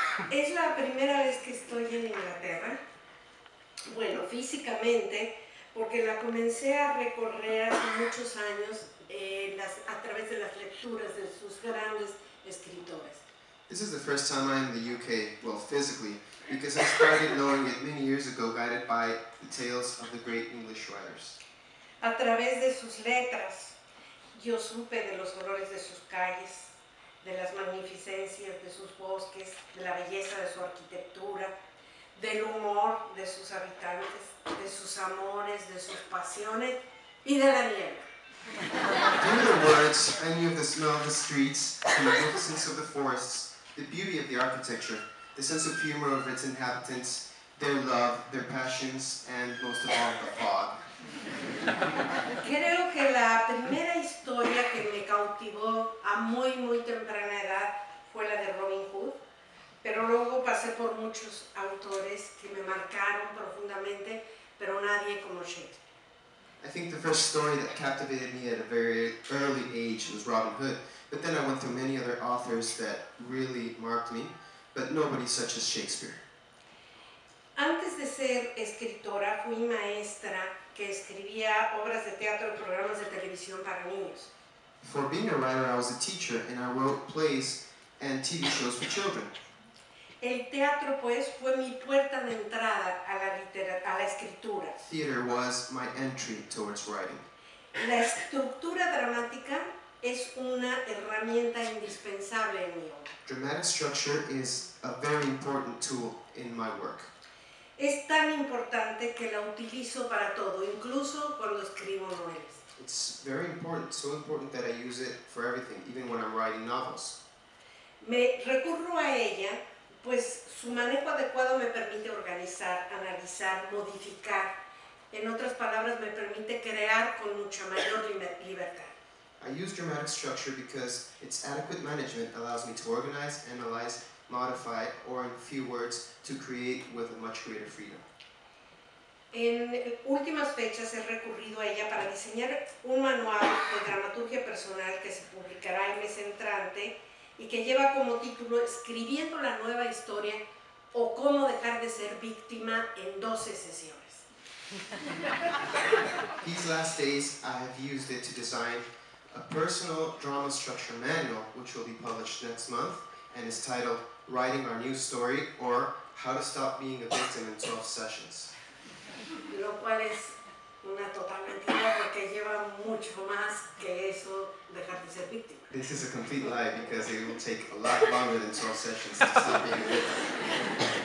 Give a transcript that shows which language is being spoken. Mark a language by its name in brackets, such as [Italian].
[Spanish] Es la primera vez que estoy en Inglaterra, bueno, físicamente, porque la comencé a recorrer hace muchos años a través de las lecturas de sus grandes escritores. [English] This is the first time I'm in the UK, well, physically, because I started knowing it many years ago, guided by the tales of the great English writers. [Spanish] A través de sus letras, yo supe de los horrores de sus calles, de las magnificencias de sus bosques, de la belleza de su arquitectura, del humor de sus habitantes, de sus amores, de sus pasiones y de la niebla. [English] Through the words, I knew of the smell of the streets, the magnificence of the forests, the beauty of the architecture, the sense of humor of its inhabitants, their love, their passions, and most of all, the fog. [Spanish] Creo que la primera historia que me cautivó a muy, muy temprana edad fue la de Robin Hood, pero luego pasé por muchos autores que me marcaron profundamente, pero nadie como Shakespeare. [English] I think the first story that captivated me at a very early age was Robin Hood, but then I went through many other authors that really marked me, but nobody such as Shakespeare. [Spanish] Antes de ser escritora, fui maestra que escribía obras de teatro y programas de televisión para niños. [English] Before being a writer, I was a teacher and I wrote plays and TV shows for children. [Spanish] El teatro, pues, fue mi puerta de entrada a la escritura. [English] Theater was my entry towards writing. [Spanish] La estructura dramática es una herramienta indispensable en mi obra. [English] Dramatic structure is a very important tool in my work. [Spanish] Es tan importante que la utilizo para todo, incluso cuando escribo novelas. [English] It's very important, so important that I use it for everything, even when I'm writing novels. [Spanish] Me recurro a ella, pues su manejo adecuado me permite organizar, analizar, modificar. En otras palabras, me permite crear con mucha mayor libertad. [English] I use dramatic structure because its adequate management allows me to organize, analyze, modify, or in few words, to create with a much greater freedom. [Spanish] En últimas fechas he recurrido a ella para diseñar un manual de dramaturgia personal que se publicará el mes entrante y que lleva como título Escribiendo la nueva historia o cómo dejar de ser víctima en 12 sesiones. [English] These last days I have used it to design a personal drama structure manual which will be published next month and is titled Writing Our New Story or How to Stop Being a Victim in 12 Sessions. [Spanish] Lo cual es una total mentira porque lleva mucho más que eso dejar de ser víctima. [English] This is a complete lie because it will take a lot longer than 12 sessions to stop being a victim.